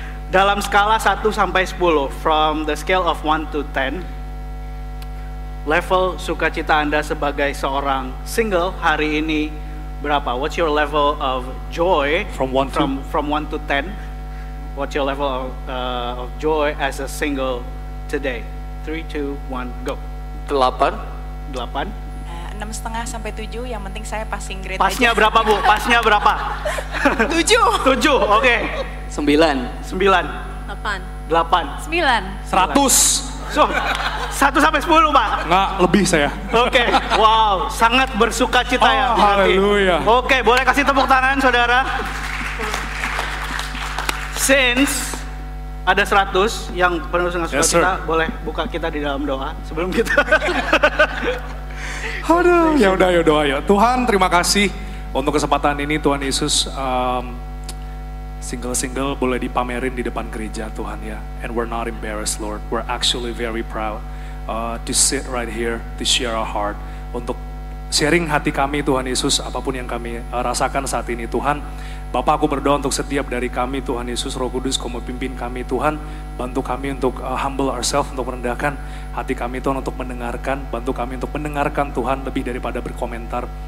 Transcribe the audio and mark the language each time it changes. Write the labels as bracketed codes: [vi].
[id] Dalam skala 1 sampai 10, [en] from the scale of 1 to 10, [id] level sukacita Anda sebagai seorang single hari ini berapa? [en] What's your level of joy from 1 to 10? What's your level of joy as a single today? 3, 2, 1, go. 8. 8. [id] 6,5 sampai 7, yang penting saya passing grade. Pasnya Berapa, Bu? Pasnya berapa? 7. 7, oke. Okay. 9. 9. 8. 8. 9. 100. So, 1 sampai 10, Pak. Enggak, lebih saya. Oke, okay. Wow, sangat bersuka cita ya. Oh, haleluya. Oke, okay, boleh kasih tepuk tangan, saudara. Since ada 100 yang penuh dengan sukacita, [en] yes, [id] boleh buka kita di dalam doa sebelum kita. Aduh, ya udah ya doa ya. Tuhan, terima kasih untuk kesempatan ini Tuhan Yesus. Single-single boleh dipamerin di depan gereja Tuhan ya. [en] And we're not embarrassed, Lord. We're actually very proud to sit right here to share our heart. [id] Untuk sharing hati kami Tuhan Yesus, apapun yang kami rasakan saat ini Tuhan. Bapa, aku berdoa untuk setiap dari kami Tuhan Yesus, Roh Kudus, kau pimpin kami Tuhan. Bantu kami untuk [en] humble ourselves, [id] untuk merendahkan hati kami Tuhan, untuk mendengarkan. Bantu kami untuk mendengarkan Tuhan lebih daripada berkomentar.